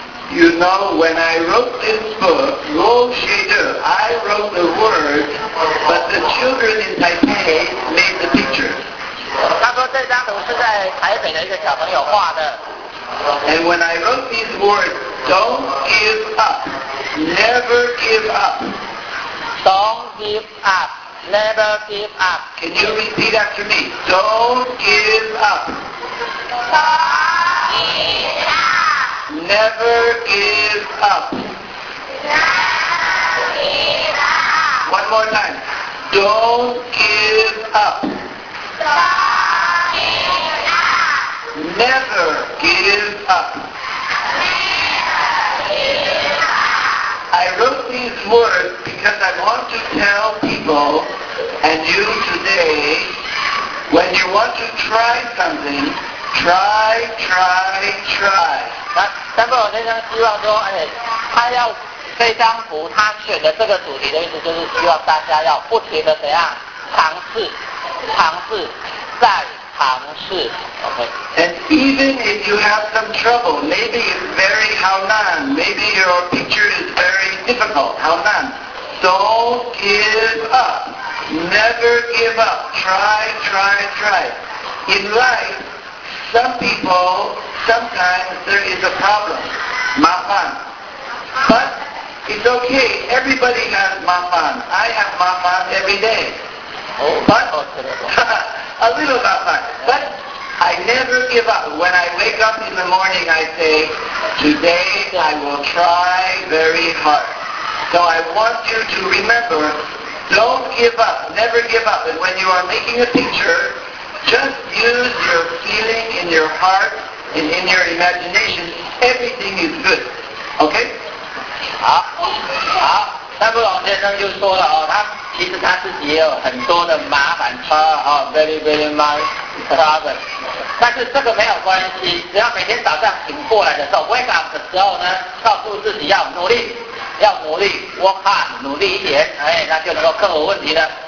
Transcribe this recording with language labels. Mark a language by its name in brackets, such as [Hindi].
[English] You know, when I wrote this book, Rose Shader, I wrote the word, but the children in Taipei made the picture. [Chinese] 他说这张图是在台北的一个小朋友画的。 [English] And when I wrote these words, don't give up, never give up. Don't give up, never give up. Can you repeat after me? Don't give up. Don't give up. Never give up. Never give up. One more time. Don't give up. Don't give up. Never give up. Never give up. I wrote these words because I want to tell people and you today, when you want to try something, try, try, try. [Chinese] 三哥，我先生希望说，哎，他要这张图，他选的这个主题的意思就是希望大家要不停的怎样尝试，尝试，再尝试。 [English] OK。 And even if you have some trouble, maybe it's very [Chinese] how nan, [English] maybe your picture is very difficult, how nan. Don't give up, never give up. Try, try, try. In life, some people. Sometimes there is a problem, 麻烦. But it's okay, everybody has 麻烦. I have 麻烦 every day. But, a little 麻烦. But I never give up. When I wake up in the morning, I say, today I will try very hard. So I want you to remember, don't give up, never give up. And when you are making a picture, just use your feeling in your heart in your imagination, everything is good. Okay? [Chinese] 好，好，三步龙先生就说了哦，他其实他自己也有很多的麻烦车哦 ， [English] very very much trouble。 [Chinese] 但是这个没有关系，只要每天早上醒过来的时候 ， [English] wake up [Chinese] 的时候呢，告诉自己要努力，要努力 ， [English] work hard， [Chinese] 努力一点，哎，那就能够克服问题了。